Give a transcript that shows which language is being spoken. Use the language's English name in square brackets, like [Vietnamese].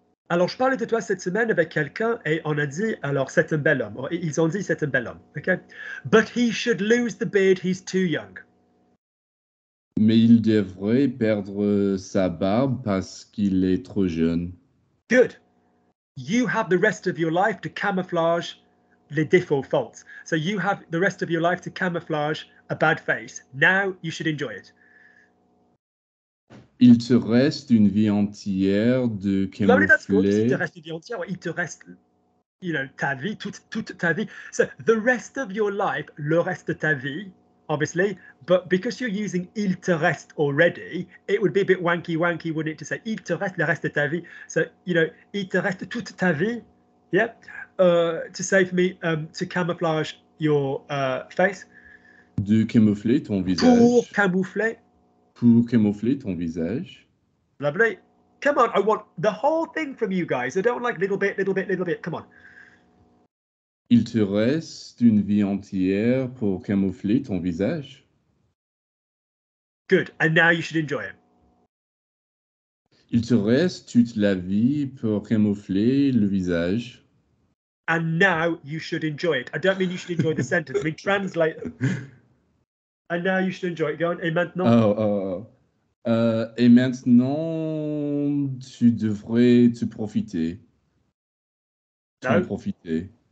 [French] Alors, je parlais de toi cette semaine avec quelqu'un et on a dit, alors, c'est un bel homme. Ils ont dit, c'est un bel homme. Okay? [English] But he should lose the beard, he's too young. [French] Mais il devrait perdre sa barbe parce qu'il est trop jeune. [English] Good. You have the rest of your life to camouflage les défauts, faults. So you have the rest of your life to camouflage a bad face. Now you should enjoy it. [French] Il te reste une vie entière de camoufler. Il te reste une vie entière. Il te reste, you know, ta vie, toute ta vie. [English] So, the rest of your life, le reste de ta vie, obviously. But because you're using il te reste already, it would be a bit wanky, wouldn't it, to say il te reste le reste de ta vie. So, you know, il te reste toute ta vie. Yeah. To save me, to camouflage your face. [French] De camoufler ton visage. Pour camoufler. Pour camoufler ton visage. [English] Lovely. Come on, I want the whole thing from you guys. I don't like little bit. Come on. [French] Il te reste une vie entière pour camoufler ton visage. [English] Good. And now you should enjoy it. [French] Il te reste toute la vie pour camoufler le visage. [English] And now you should enjoy it. I don't mean you should enjoy the sentence. I mean translate. And now you should enjoy it. Go on. [French] Et maintenant. Et maintenant, tu devrais te profiter. [English] No. [French] Tu en profiter.